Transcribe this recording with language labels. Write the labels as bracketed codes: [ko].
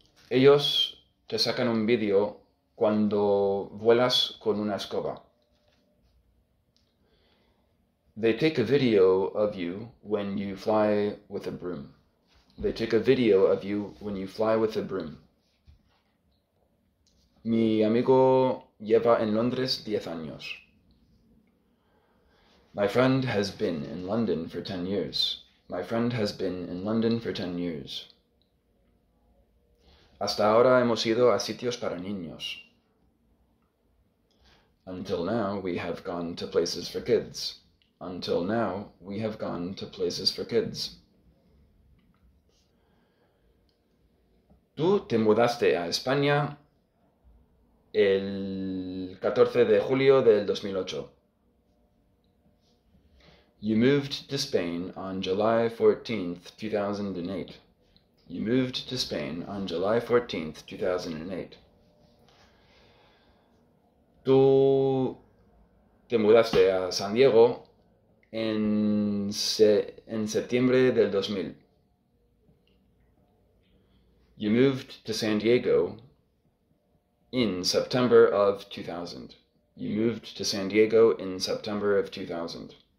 [es] Ellos te sacan un vídeo cuando vuelas con una escoba. [en] They take a video of you when you fly with a broom. They take a video of you when you fly with a broom. [es] Mi amigo lleva en Londres 10 años. [en] My friend has been in London for 10 years. My friend has been in London for 10 years. [es] Hasta ahora hemos ido a sitios para niños. [en] Until now, we have gone to places for kids. Until now, we have gone to places for kids. [es] Tú te mudaste a España el 14 de julio del 2008. [en] You moved to Spain on July 14th, 2008. You moved to Spain on July 14th, 2008. [es] Tú te mudaste a San Diego en septiembre del 2000. [en] You moved to San Diego in September of 2000. You moved to San Diego in September of 2000.